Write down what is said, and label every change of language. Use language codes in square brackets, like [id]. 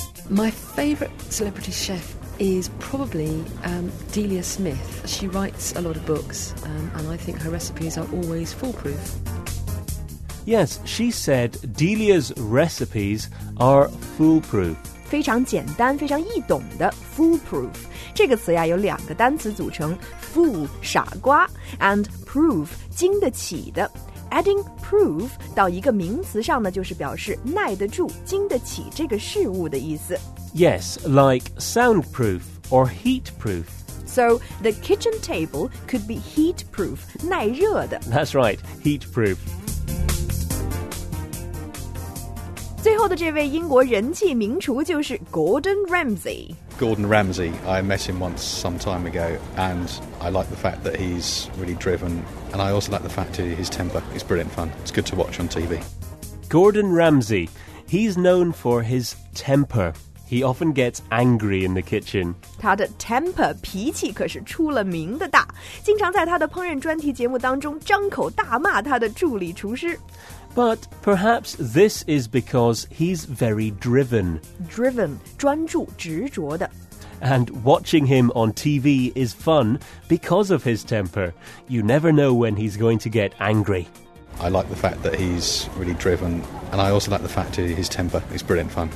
[en] My favorite celebrity chef is probably Delia Smith. She writes a lot of books, and I think her recipes are always foolproof. Yes, she said Delia's recipes are foolproof. [zh] 非常简单,非常易懂的 foolproof. 这个词呀有两个单词组成 fool, 傻瓜 [en] and [zh] proof, 经得起的。 [en] Adding proof [zh] 到一个名词上呢就是表示耐得住,经得起这个事物的意思。 [en] Yes, like soundproof or heatproof. So, the kitchen table could be heatproof, [zh] 耐热的。 [en] That's right, heatproof. [zh] 最后的这位英国人气名厨就是 Gordon Ramsay. [en] Gordon Ramsay, I met him once some time ago, and I like the fact that he's really driven, and I also like the fact that his temper is brilliant fun. It's good to watch on TV. Gordon Ramsay, he's known for his temper. He often gets angry in the kitchen. [zh] 他的 temper, 脾气可是出了名的大，经常在他的烹饪专题节目当中张口大骂他的助理厨师。 [en] But perhaps this is because he's very driven. [zh] Driven, 专注,执着的。 [en] And watching him on TV is fun because of his temper. You never know when he's going to get angry. I like the fact that he's really driven. And I also like the fact that his temper is brilliant fun.